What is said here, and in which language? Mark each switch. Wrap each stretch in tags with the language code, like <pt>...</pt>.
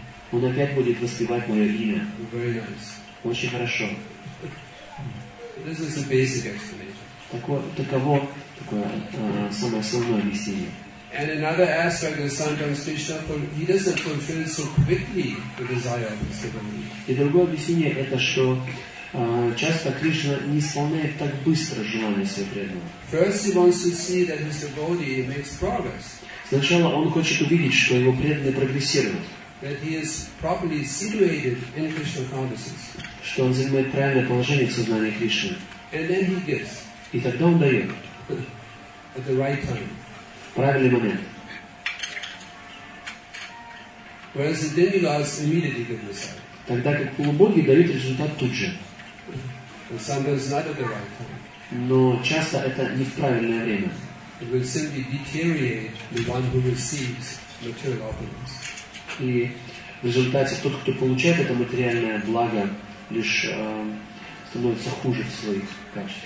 <ru>Он опять будет воспевать мое имя. Очень хорошо. Самое основное объяснение.</ru> <en>And another aspect of sometimes Krishna, he doesn't fulfill so quickly the desire of his devotee.</en> <ru>И другое объяснение это что часто Кришна не исполняет так быстро желание своего преданного.</ru> <en>First, he wants to see that his devotee makes progress.</en> <ru>Сначала он хочет увидеть, что его преданный прогрессирует.</ru> <en>That he is properly situated in Krishna consciousness.</en> <ru>Что он занимает правильное положение в сознании Кришны.</ru> <en>And then he gives.</en> <ru>И тогда он дает.</ru> <en>At the right time.</en> <ru>Правильный момент.</ru> <en>Whereas the demigods immediately give the sign.</en> <ru>Тогда как полубоги дают результат тут же.</ru> <en>And sometimes not at the right time.</en> <ru>Но часто это не в правильное время.</ru> <en>It will simply deteriorate the one who receives material opulence.</en> <ru>И в результате тот, кто получает это материальное благо, лишь становится хуже в своих качествах.</ru>